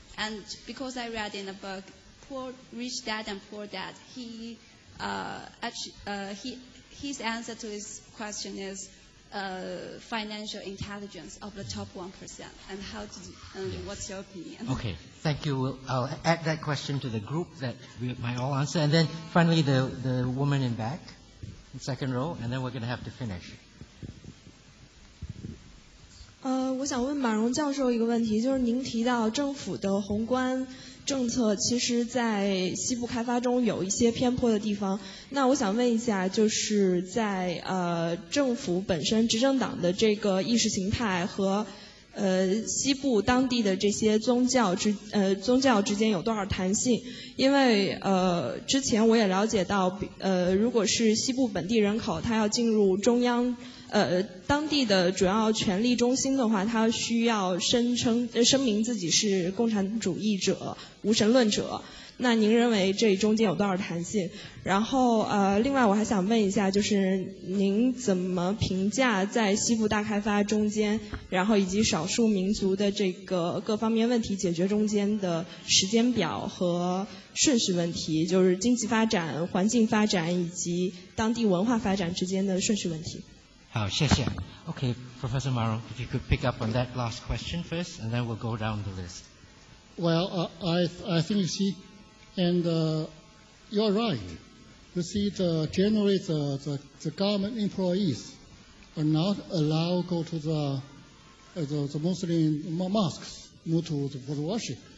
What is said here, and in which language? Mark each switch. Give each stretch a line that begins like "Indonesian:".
English: And because I read in a book, Poor Rich Dad and Poor Dad, his answer to his question is financial intelligence of the top 1%. And how do you, what's your opinion? Okay, thank you. I'll add that question to the group that we might all answer. And then finally, the woman in back, in second row, and then we're going to have to finish.
Chinese: 我想问马荣教授一个问题，就是您提到政府的宏观政策其实在西部开发中有一些偏颇的地方，那我想问一下，就是在政府本身执政党的这个意识形态和西部当地的这些宗教之间有多少弹性？因为之前我也了解到，如果是西部本地人口他要进入中央当地的主要权力中心的话，他需要声明自己是共产主义者、无神论者。那您认为这中间有多少弹性？然后另外我还想问一下，就是您怎么评价在西部大开发中间，然后以及少数民族的这个各方面问题解决中间的时间表和顺序问题，就是经济发展、环境发展以及当地文化发展之间的顺序问题？好，谢谢。
English: Okay, Professor Maro, if you could pick up on that last question first, and then we'll go down the list. Well, I think you see, and you're right. You see, generally the government employees are not allowed to go to the Muslim mosques, not to the for the worship.